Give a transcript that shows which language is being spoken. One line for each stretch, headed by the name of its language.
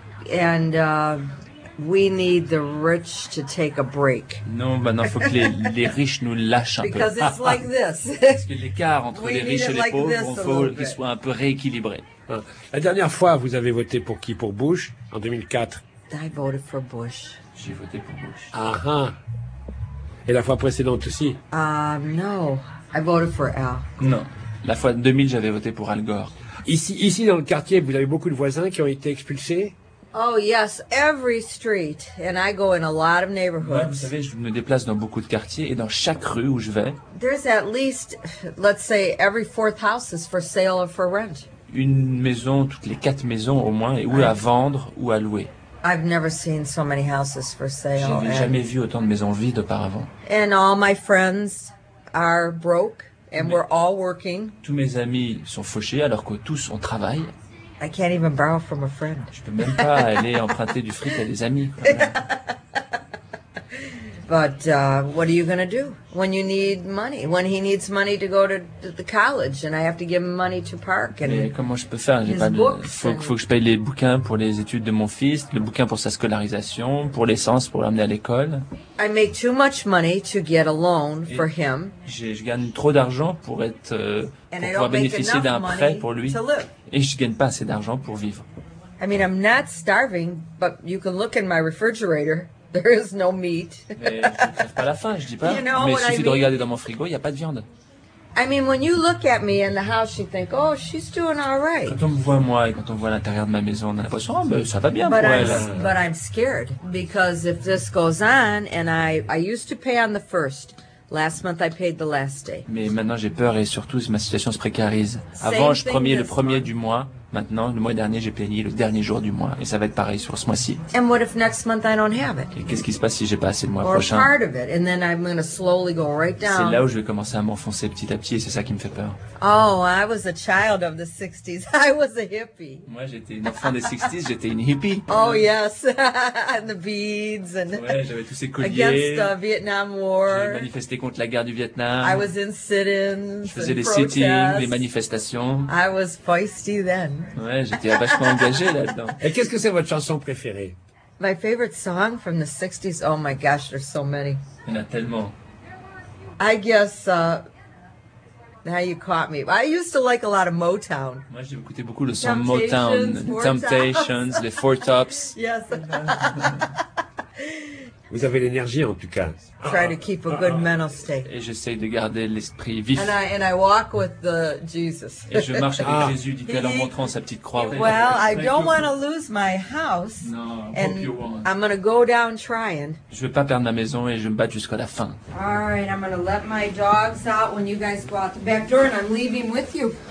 English: And we need the rich to take a break.
French: Non, maintenant, faut que les riches nous lâchent un peu.
English: Because it's like this.
French: Parce que l'écart entre les riches et les pauvres, il faut qu'il soit un peu rééquilibré. La dernière fois, vous avez voté pour qui? Pour Bush, en 2004.
English: I voted for Bush.
French: J'ai voté pour Bush. Ah, hein. Et la fois précédente aussi?
English: No, I voted for Al.
French: Non, la fois 2000, j'avais voté pour Al Gore. Ici, dans le quartier, vous avez beaucoup de voisins qui ont été expulsés?
English: Oh yes, every street, and I go in a lot of neighborhoods.
French: Ouais, vous savez, je me déplace dans beaucoup de quartiers et dans chaque rue où je vais.
English: There's at least, let's say, every fourth house is for sale or for rent.
French: Une maison, toutes les quatre maisons au moins, est ou right. À vendre ou à louer.
English: I've never seen so many houses for sale.
French: J'ai jamais vu autant de maisons vides auparavant.
English: And all my friends are broke, and we're all working.
French: Tous mes amis sont fauchés alors que tous on travaille.
English: I can't even borrow from a friend.
French: Je peux même pas aller emprunter du fric à des amis.
English: But what are you going to do when you need money? When he needs money to go to the college and I have to give him money to park and
French: mais comment je peux faire? J'ai pas de faut que je paye les bouquins pour les études de mon fils, le bouquin pour sa scolarisation, pour l'essence pour l'amener à l'école.
English: I make too much money to get a loan
French: et
English: for him.
French: Je gagne trop d'argent pour être pour
English: and
French: pouvoir bénéficier d'un prêt pour lui.
English: To live.
French: Et je gagne pas assez d'argent pour vivre.
English: I mean, I'm not starving, but you can look in my refrigerator. There is no meat.
French: Pas la faim, je dis pas.
English: You know
French: mais il suffit
English: I mean?
French: De regarder dans mon frigo, il y a pas de viande.
English: I mean, when you look at me in the house, you think, oh, she's doing all right.
French: Quand on me voit moi et quand on voit l'intérieur de ma maison, on a l'impression, oh, ça va bien
English: but
French: pour
English: I'm,
French: elle.
English: But I'm scared because if this goes on, and I used to pay on the first. Last month I paid the last day.
French: Mais maintenant j'ai peur et surtout ma situation se précarise. Avant je payais le premier du mois. Maintenant, le mois dernier, j'ai payé le dernier jour du mois. Et ça va être pareil sur ce mois-ci.
English: And what if next month I don't have it?
French: Et qu'est-ce qui se passe si j'ai pas assez le mois
English: or
French: prochain?
English: Part of it, and then I'm gonna slowly go right down.
French: C'est là où je vais commencer à m'enfoncer petit à petit et c'est ça qui me fait peur.
English: Oh, I was a child of the 60s. I was a hippie.
French: Moi, j'étais une enfant des 60s, j'étais une hippie.
English: Oh, yes. And the beads. And
French: ouais, j'avais tous ces colliers.
English: Against the Vietnam War.
French: J'ai manifesté contre la guerre du Vietnam.
English: I was in sit-ins.
French: Je faisais des sit-ins, des manifestations.
English: I was feisty then.
French: Ouais, j'étais vachement engagé là-dedans. Et qu'est-ce que c'est votre chanson préférée?
English: My favorite song from the 60s. Oh my gosh, there's so many.
French: Il y en a tellement.
English: I guess now you caught me. I used to like a lot of Motown.
French: Moi, j'ai écouté beaucoup le son Motown, Temptations, les Four Tops.
English: Yes.
French: Vous avez l'énergie en tout cas.
English: Try to keep a good mental state.
French: Et j'essaie de garder l'esprit vif.
English: And I walk with the Jesus.
French: Et je marche avec Jésus, dit-elle en montrant sa petite croix.
English: Well, I don't want to lose my house. No, hope you won't. I'm going to go down trying.
French: Je ne veux pas perdre ma maison et je me bats jusqu'à la fin.
English: All right, I'm going to let my dogs out when you guys go out the back door and I'm leaving with you.